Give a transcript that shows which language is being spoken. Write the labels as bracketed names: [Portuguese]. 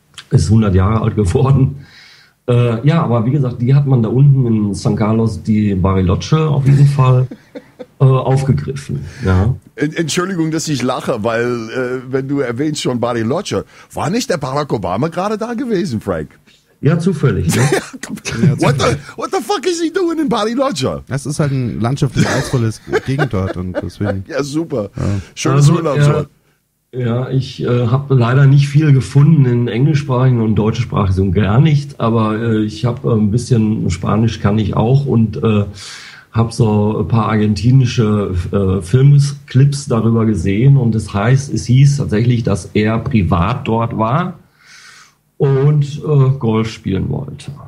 [German] Ist 100 Jahre alt geworden. Ja, aber wie gesagt, die hat man da unten in San Carlos de Bariloche auf jeden Fall aufgegriffen. Ja. Entschuldigung, dass ich lache, weil wenn du erwähnst schon Bariloche, war nicht der Barack Obama gerade da gewesen, Frank? Ja, zufällig. Ne? Ja, [English] what the fuck is he doing in Bariloche? [German] Das ist halt ein landschaftlich reizvolles Gegend dort. Und deswegen, ja, super. Ja. Schönes Urlaubsort. Ja, ich habe leider nicht viel gefunden in englischsprachigen und deutscher Sprache, so gar nicht, aber ich habe ein bisschen Spanisch kann ich auch und habe so ein paar argentinische Filmclips darüber gesehen und es hieß tatsächlich, dass er privat dort war und Golf spielen wollte.